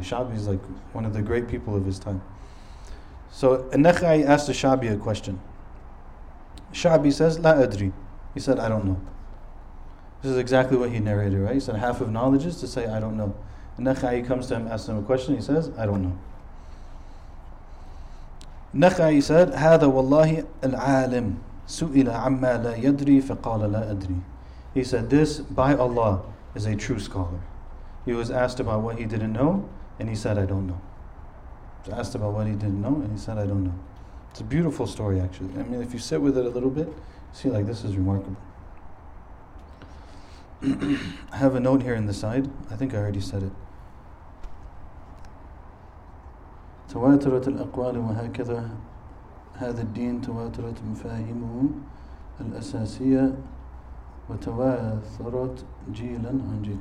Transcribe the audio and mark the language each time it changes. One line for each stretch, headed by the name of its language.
English: Sha'bi is like one of the great people of his time. So An-Nakhai asked the Sha'bi a question. Sha'bi says,
Arabic: La adri.
English: He said, I don't know. This is exactly what he narrated, right? He said, half of knowledge is to say, I don't know. An-Nakhai comes to him, asks him a question, he says, I don't know. An-Nakhai said,
Arabic: هذا والله العالم سئل عما لا يدري فقال لا أدري.
English: He said, this, by Allah, is a true scholar. He was asked about what he didn't know, and he said, I don't know. He was asked about what he didn't know, and he said, I don't know. It's a beautiful story, actually. I mean, if you sit with it a little bit, see, like, this is remarkable. I have a note here in the side. I think I already said it.
Arabic: تواترت الأقوال وهكذا هذا الدين تواترت مفاهيمه الأساسية وتواثرت جيلا عن جيل.